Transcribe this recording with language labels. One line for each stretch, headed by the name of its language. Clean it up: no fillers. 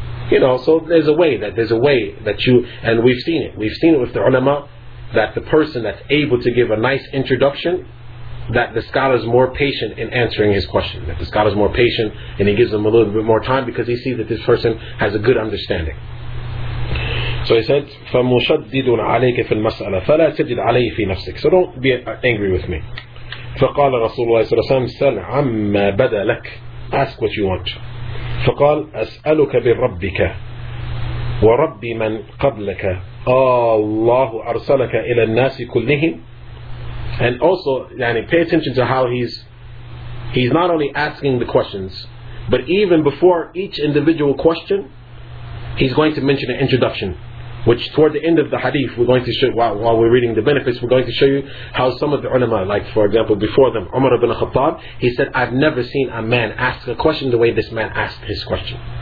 English: You know, so there's a way that you, and we've seen it with the ulama, that the person that's able to give a nice introduction, that the scholar is more patient in answering his question, that the scholar is more patient and he gives them a little bit more time because he sees that this person has a good understanding. So he said,
Arabic: فَمُشَدِّدٌ عَلَيْكَ فِي الْمَسْأَلَةِ فَلَا تَجِدْ عَلَيْهِ فِي نَفْسِكَ.
English: So don't be angry with me.
Arabic: فَقَالَ رَسُولُ اللَّهِ صَلَّى اللَّهُ عَلَيْهِ وَسَلَّمَ سَلْ عَمَّا بَدَى لَكَ.
English: Ask what you want.
Arabic: فقال أسألك بربك ورب من قبلك الله أرسلك إلى الناس كلهم.
English: And also, يعني, pay attention to how he's not only asking the questions, but even before each individual question, he's going to mention an introduction, which toward the end of the hadith, we're going to show, while we're reading the benefits, we're going to show you how some of the ulama, like for example, before them, Umar ibn Khattab, he said, I've never seen a man ask a question the way this man asked his question.